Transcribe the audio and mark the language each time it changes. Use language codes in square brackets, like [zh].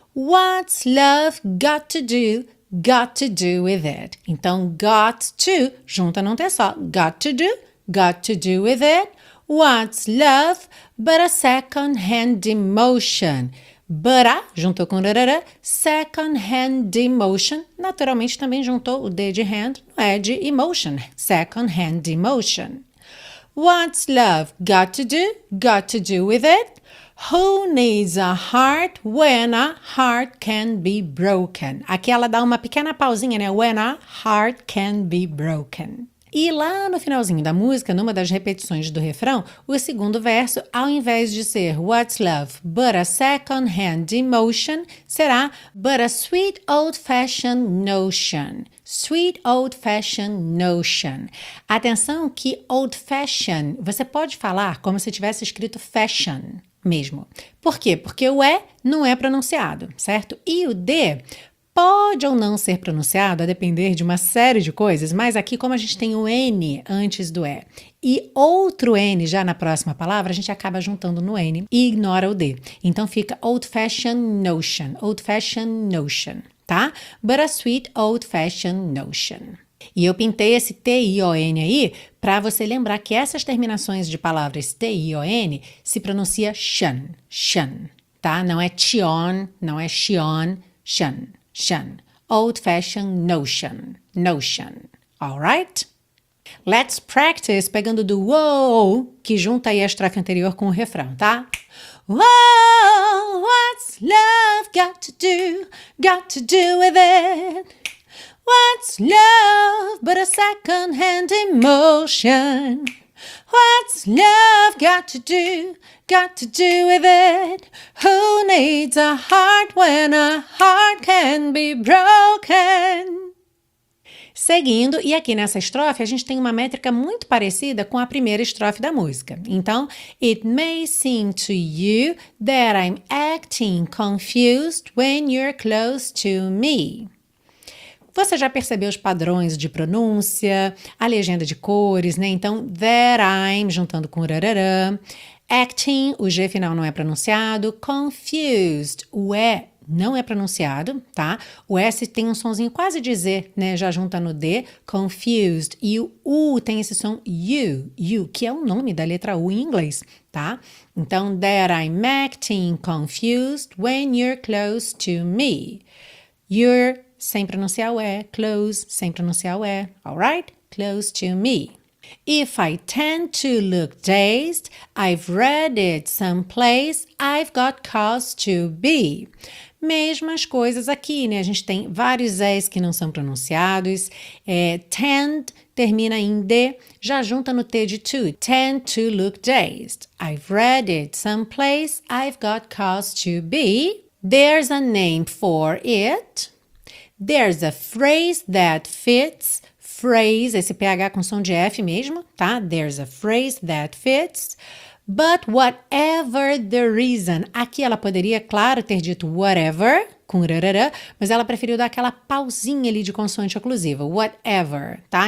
[en] What's love got to do with it? [pt] Então, got to, junta não tem só. [en] Got to do with it. What's love but a second-hand emotion? But a, [pt] juntou com rarara, [en] second-hand emotion. [pt] Naturalmente, também juntou o D de hand, não é de emotion. [en] Second-hand emotion. What's love got to do with it? Who needs a heart when a heart can be broken? [pt] Aqui ela dá uma pequena pausinha, né? [en] When a heart can be broken. [pt] E lá no finalzinho da música, numa das repetições do refrão, o segundo verso, ao invés de ser [en] What's love but a second-hand emotion, [pt] será [en] But a sweet old-fashioned notion. Sweet old-fashioned notion. [pt] Atenção que old-fashioned, você pode falar como se tivesse escrito fashion. Mesmo. Por quê? Porque o E não é pronunciado, certo? E o D pode ou não ser pronunciado, a depender de uma série de coisas, mas aqui, como a gente tem o N antes do E e outro N já na próxima palavra, a gente acaba juntando no N e ignora o D. Então fica old-fashioned notion, tá? [en] But a sweet old-fashioned notion. [pt] E eu pintei esse T-I-O-N aí para você lembrar que essas terminações de palavras T-I-O-N se pronuncia shan, shan, tá? Não é tion, não é xion, shan, shan. [en] Old-fashioned notion, notion, alright? Let's practice [pt] pegando do wow, que junta aí a estrofe anterior com o refrão, tá? [en] Wow, what's love got to do with it? What's love but a second-hand emotion? What's love got to do with it? Who needs a heart when a heart can be broken? [pt] Seguindo, e aqui nessa estrofe, a gente tem uma métrica muito parecida com a primeira estrofe da música. [en] Então, it may seem to you that I'm acting confused when you're close to me. [pt] Você já percebeu os padrões de pronúncia, a legenda de cores, né? Então, that I'm, juntando com rarara, acting, o G final não é pronunciado, confused, o E não é pronunciado, tá? O S tem um sonzinho quase de Z, né? Já junta no D, confused, e o U tem esse som U, U, que é o nome da letra U em inglês, tá? [en] Então, that I'm acting confused when you're close to me. [pt] You're sem pronunciar o E, close, sem pronunciar o E, alright? [en] Close to me. If I tend to look dazed, I've read it someplace, I've got cause to be. [pt] Mesmas coisas aqui, né? A gente tem vários E's que não são pronunciados. É, tend termina em D, já junta no T de to. [en] Tend to look dazed, I've read it someplace, I've got cause to be. There's a name for it. There's a phrase that fits, phrase, [pt] esse PH com som de F mesmo, tá? [en] There's a phrase that fits, but whatever the reason, [pt] aqui ela poderia, claro, ter dito whatever, com rarara, mas ela preferiu dar aquela pausinha ali de consoante oclusiva, whatever, tá?